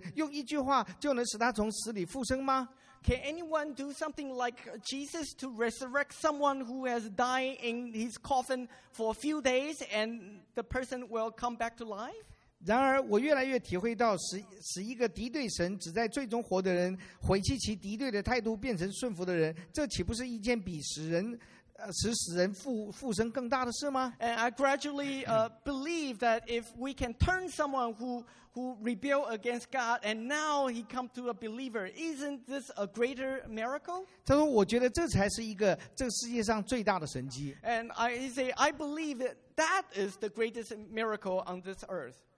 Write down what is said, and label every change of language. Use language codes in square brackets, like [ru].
[zh] 有人能够像耶稣使一位躺在棺材里好几天已经属于尘土的人用一句话就能使他从死里复生吗？ [en] Can anyone do something like Jesus to resurrect someone who has died in his coffin for a few days and the person will come back to life? [zh] 然而我越来越体会到使一个敌对神只在最终活的人回弃其敌对的态度变成顺服的人这岂不是一件比使人使人复生更大的事吗？ [en] And I gradually believe that if we can turn someone who rebelled against God and now he come to a believer, isn't this a greater miracle? [zh] 他说我觉得这才是一个这世界上最大的神迹。 [en] And he say, I believe that is the greatest miracle on this earth.